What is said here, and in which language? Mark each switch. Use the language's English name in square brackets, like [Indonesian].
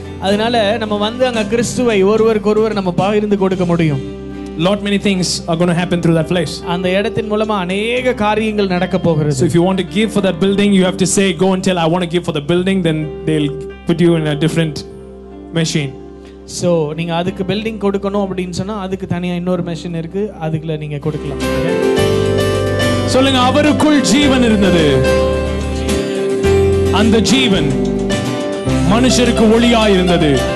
[Tamil] அதனால நம்ம வந்து அங்க கிறிஸ்துவை ஒருவருக்கு ஒருவர் நம்ம பகிர்ந்து கொடுக்க முடியும். [English] Lot many things are going to happen through that place. [Tamil] அந்த இடத்தின் மூலமா अनेक காரியங்கள் நடக்க போகிறது. [English] So if you want to give for that building, you have to say, go and tell I want to give for the building, then they'll put you in a different machine. [Tamil] So நீங்க அதுக்கு building கொடுக்கணும் அப்படினு சொன்னா அதுக்கு தனியா இன்னொரு machine இருக்கு, அதுக்குல நீங்க கொடுக்கலாம். சொல்லுங்க, அவருக்குள் ஜீவன் இருந்தது. அந்த ஜீவன் மனுஷருக்கு ஒளியா இருந்தது.